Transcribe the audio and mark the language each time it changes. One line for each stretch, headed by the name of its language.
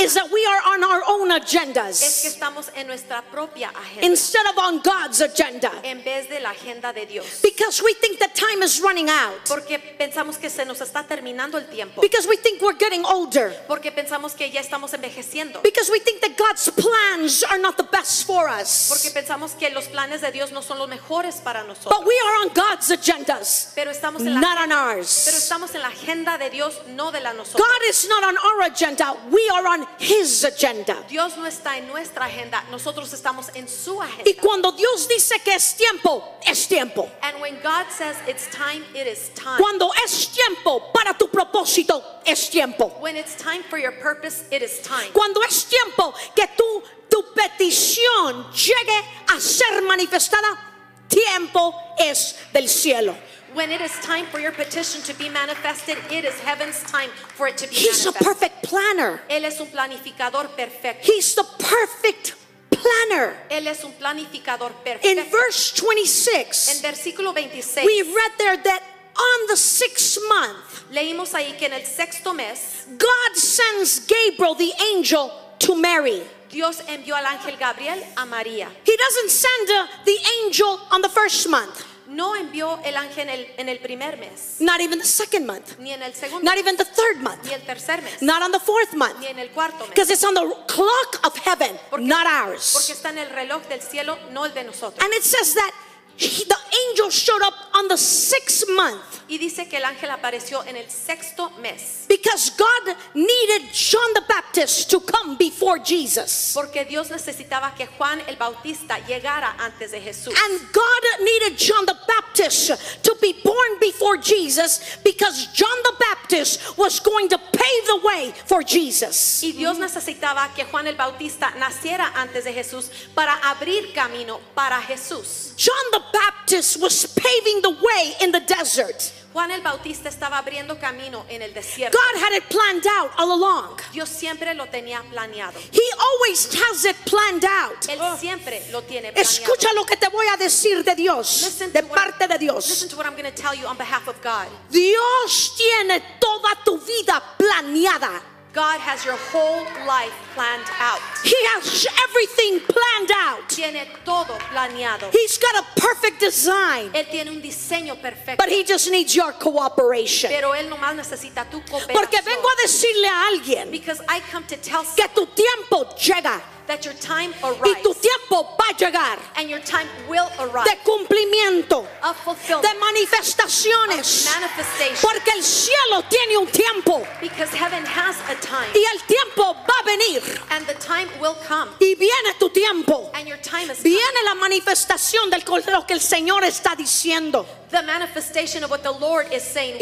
English: is that we are on our own agendas,
Spanish: es que estamos en nuestra propia agenda,
English: instead of on God's agenda,
Spanish: en vez de la agenda de Dios,
English: because we think that time is running out,
Spanish: porque pensamos que se nos está terminando el tiempo,
English: because we think we're getting older,
Spanish: porque pensamos que ya estamos envejeciendo,
English: because we think that God's plans are not the best for us,
Spanish: porque pensamos que los planes de Dios no son los mejores para nosotros,
English: but we are on God's agendas,
Spanish: pero estamos en la
English: not on ours,
Spanish: pero estamos en la agenda de Dios, no de la nosotros.
English: God is not on our agenda, we are on His agenda.
Spanish: Dios no está en nuestra agenda, nosotros estamos en su agenda. Y cuando Dios dice que es tiempo, es tiempo.
English: And when God says it's time, it is time.
Spanish: Cuando es tiempo para tu propósito, es tiempo.
English: When it's time for your purpose, it is time.
Spanish: Cuando es tiempo que tu petición llegue a ser manifestada, tiempo es del cielo.
English: When it is time for your petition to be manifested, it is heaven's time for it to be He's manifested. He's a perfect planner.
Spanish: Él es un planificador perfecto.
English: He's the perfect planner.
Spanish: Él es un planificador perfecto.
English: In verse 26,
Spanish: en versículo 26,
English: we read there that on the sixth month,
Spanish: leímos ahí que en el sexto mes,
English: God sends Gabriel, the angel, to Mary.
Spanish: Dios envió al ángel Gabriel a María.
English: He doesn't send the angel on the first month.
Spanish: No envió el ángel en el primer mes.
English: Not even the second month.
Spanish: Ni en el segundo.
English: Not even the third month.
Spanish: Ni el tercer mes.
English: Not on the fourth month.
Spanish: Ni en el cuarto mes.
English: Because it's on the clock of heaven,
Spanish: porque,
English: not ours.
Spanish: Porque está en el reloj del cielo, no el de nosotros.
English: And it says that the angel showed up on the sixth month.
Spanish: Y dice que el ángel apareció en el sexto mes.
English: Because God needed John the Baptist to come before Jesus.
Spanish: Porque Dios necesitaba que Juan el Bautista llegara antes de Jesús.
English: And God needed John the Baptist to be born before Jesus because John the Baptist was going to pave the way for Jesus.
Spanish: Y Dios necesitaba que Juan el Bautista naciera antes de Jesús para abrir camino para Jesús.
English: John the Baptist was paving the way in the desert.
Spanish: Juan el Bautista estaba abriendo camino en el desierto.
English: God had it planned out all along.
Spanish: Dios siempre lo tenía planeado.
English: He always has it planned out.
Spanish: Él siempre lo tiene planeado. Escucha lo que te voy a decir de Dios, de parte de Dios.
English: Listen to what I'm going to tell you on behalf of God.
Spanish: Dios tiene toda tu vida planeada.
English: God has your whole life planned out. He has everything planned out.
Spanish: Tiene todo planeado.
English: He's got a perfect design.
Spanish: Él tiene un diseño perfecto.
English: But he just needs your cooperation.
Spanish: Pero él nomás necesita tu cooperación. Porque vengo a decirle a alguien,
English: because I come to tell
Spanish: que tu tiempo llega.
English: That your time arrives.
Spanish: Y tu tiempo va a llegar.
English: And your time will arrive.
Spanish: De cumplimiento.
English: Of fulfillment.
Spanish: De manifestaciones.
English: Of manifestation.
Spanish: Porque el cielo tiene un tiempo.
English: Because heaven has a time.
Spanish: Y el tiempo va a venir.
English: And the time will come.
Spanish: Y viene tu tiempo.
English: And your time is
Spanish: viene
English: coming.
Spanish: La manifestación de lo que el Señor está diciendo.
English: The manifestation of what the Lord is saying will